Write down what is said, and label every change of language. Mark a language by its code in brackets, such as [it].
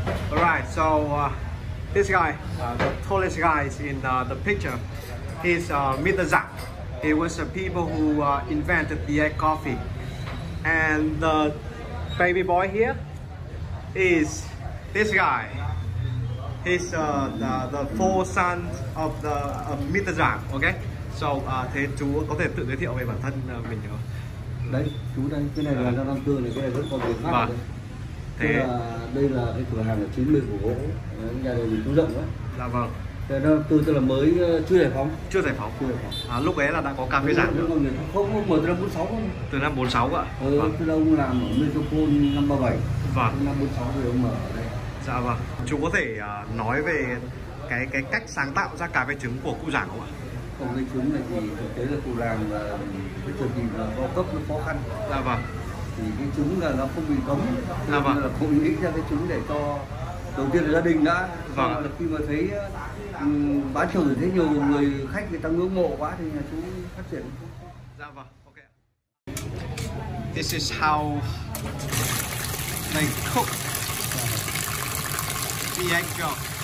[en] Alright, so this guy, the tallest guy in the picture, he's Mr Giang. He was the people who invented the egg coffee, and the baby boy here is this guy. He's the four sons of the Mr Giang. Okay, so [vi] thế chú có thể tự giới thiệu về bản thân mình không? Đấy, chú đây, cái này là năm tư này, cái này rất còn tiền mát. Thế là đây là cái cửa hàng là 90 của gỗ, nhà này mình chú rộng quá. Dạ vâng. Thế năm tư tức là mới chưa giải phóng. Chưa giải phóng. Chưa giải phóng. À, lúc ấy là đã có cà phê Giang. Không, mở từ năm 46. Từ năm 46 ạ. Ừ, vâng. Từ đâu ông làm ở Metropole năm 37. Vâng. Năm 46 thì ông mở ở đây. Dạ vâng. Chú có thể nói về cái cách sáng tạo ra cà phê trứng của cụ Giang không ạ? Cà phê trứng này thì thực tế là cụ làm là cái thời kỳ là bao cấp nó khó khăn. Dạ vâng. Thì cái trứng là nó không bị cấm, à, vâng. Là cũng nghĩ ra cái trứng để cho đầu tiên là gia đình đã. Vâng. Là khi mà thấy bán trường thì thấy nhiều người khách người ta ngưỡng mộ quá thì nhà chú phát triển. Dạ vâng, ok. [en] This is how they cook the egg yolk.